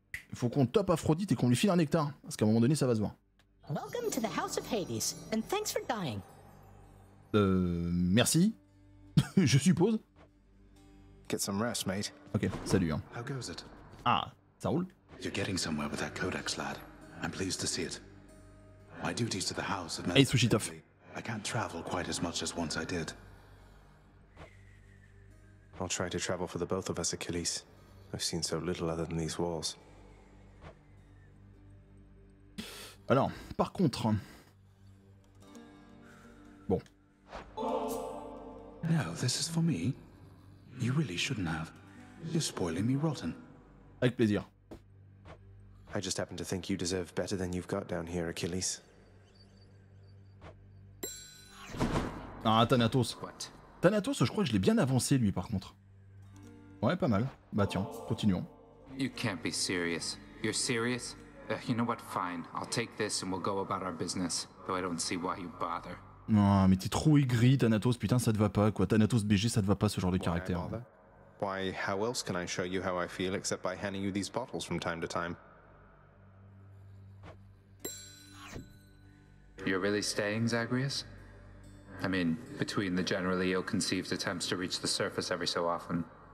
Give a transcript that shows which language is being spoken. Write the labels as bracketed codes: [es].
[fr] Il faut qu'on top Aphrodite et qu'on lui file un nectar. Parce qu'à un moment donné, ça va se voir. [en] Welcome to the House of Hades, and thanks for dying. [fr] Merci. Je suppose. [en] Get some rest, mate. [fr] Ok, salut. Hein. [en] How goes it? [fr] Ah, ça roule. [en] You're getting somewhere with that codex, lad. I'm pleased to see it. My duties to the house have made sushi tough. I can't travel quite as much as once I did. I'll try to travel for the both of us, Achilles. I've seen so little other than these walls. [fr] Alors, par contre. Bon. [en] No, this is for me. You really shouldn't have. You're spoiling me rotten. [fr] Avec plaisir. [en] I just happen to think you deserve better than you've got down here, Achilles. Ah, Thanatos. [fr] Thanatos, je crois que je l'ai bien avancé, lui, par contre. Ouais, pas mal. Bah tiens, continuons. [en] You can't be serious. You're serious? You know what, fine. I'll take this and we'll go about our business. Though I don't see why you bother. [fr] Non, oh, mais t'es trop aigri, Thanatos. Putain, ça te va pas, quoi. Thanatos BG, ça te va pas, ce genre de caractère. [en] Why, how else can I show you how I feel except by handing you these bottles from time to time? You're really staying, Zagreus? I mean, between the generally ill-conceived attempts to reach the surface every so often.